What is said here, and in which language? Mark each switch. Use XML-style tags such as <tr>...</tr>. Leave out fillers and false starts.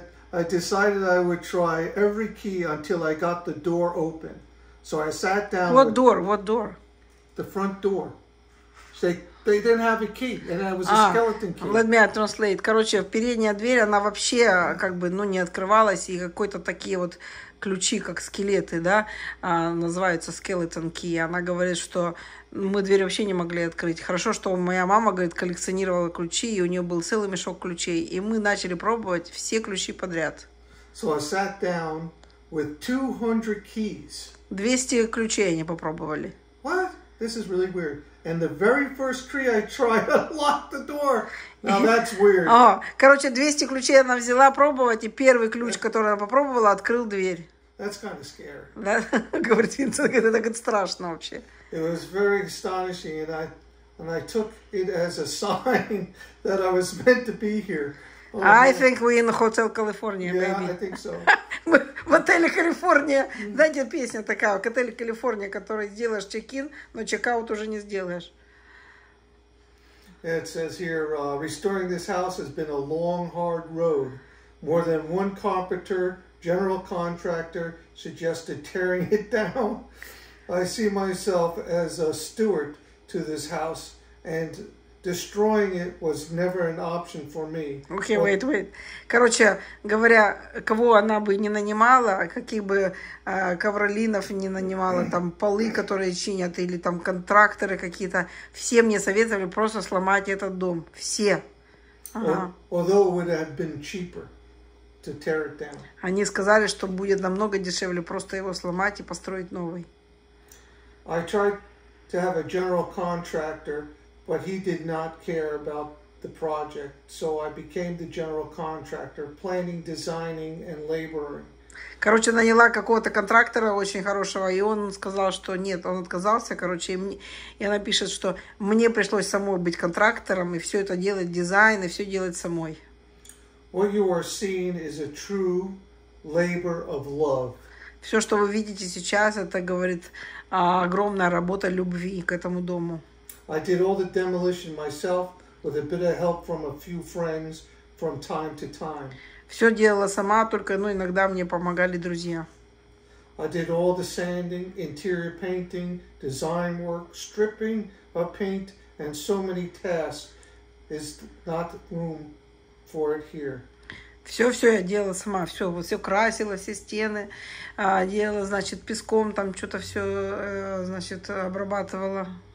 <en>I decided I would try every key until I got the door open. So I sat down. What door? What door? The front door. They didn't have a key, and it was a skeleton key. Let me translate.</en> <ru>Короче, передняя дверь, она вообще как бы, ну, не открывалась, и какой-то такие вот ключи, как скелеты, да, называются skeleton key. Она говорит, что мы дверь вообще не могли открыть. Хорошо, что моя мама, говорит, коллекционировала ключи, и у нее был целый мешок ключей. И мы начали пробовать все ключи подряд.</ru> <en>So I sat down with 200 keys.</en> <ru>200 ключей они попробовали.</ru> <en>What? This is really weird. And the very first key I tried, I locked the door. Now that's weird.</en> <ru>О, короче, 200 ключей она взяла пробовать, и первый ключ, который она попробовала, открыл дверь.</ru> <en>That's kind of scary.</en> <ru>Да? Говорит Винсент, это так страшно вообще.</ru> <en>It was very astonishing, and I took it as a sign that I was meant to be here. Oh, I think we're in Hotel California, yeah, baby. Yeah, I think so.</en> <ru>В отеле Калифорния. Знаете, песня такая, в отеле Калифорния, который сделаешь чек-ин, но чек-аут уже не сделаешь.</ru> <en>It says here, restoring this house has been a long, hard road. More than one carpenter, general contractor, suggested tearing it down. I see myself as a steward to this house, and destroying it was never an option for me. Okay, but... wait.</en> <ru>Короче, говоря, кого она бы не нанимала, каких бы ковролинов не нанимала, там полы, которые чинят, или там контракторы какие-то, все мне советовали просто сломать этот дом. Все.</ru> <en>Although it would have been cheaper to tear it down.</en> <ru>Они сказали, что будет намного дешевле просто его сломать и построить новый.</ru> <en>I tried to have a general contractor, but he did not care about the project, so I became the general contractor, planning, designing, and laboring.</en> <ru>Короче, наняла какого-то контрактора очень хорошего, и он сказал, что нет, он отказался, короче, и она пишет, что мне пришлось самой быть контрактором, и все это делать, дизайн, и все делать самой.</ru> <en>What you are seeing is a true labor of love.</en> <ru>Все, что вы видите сейчас, это, говорит, огромная работа любви к этому дому.</ru> <en>I did all the demolition myself with a bit of help from a few friends from time to time.</en> <ru>Все делала сама, только, ну, иногда мне помогали друзья.</ru> <en>I did all the sanding, interior painting, design work, stripping of paint, and so many tasks. There's not room for it here.</en> <ru>Все-все я делала сама, все, вот все красила, все стены, делала, значит, песком там что-то все, значит, обрабатывала.</ru>